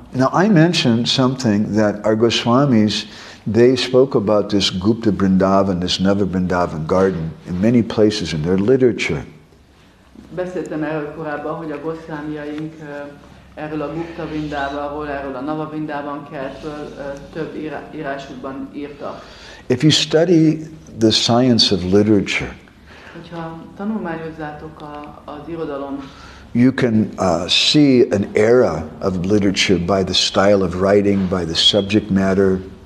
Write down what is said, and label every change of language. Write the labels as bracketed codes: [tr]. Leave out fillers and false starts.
[en] Now I mentioned something that our Goswamis, they spoke about this Gupta Vrindavan, this Nava Vrindavan garden in many places in their literature. [hu] Beszéltem erről korábban, hogy a Goswamiaink erről a Gupta Vrindavanról, erről a Nava Vrindavan kertről több írásukban írtak. [en] If you study the science of literature, [hu] hogyha tanulmányozzátok az irodalom, [en] you can see an era of literature by the style of writing, by the subject matter.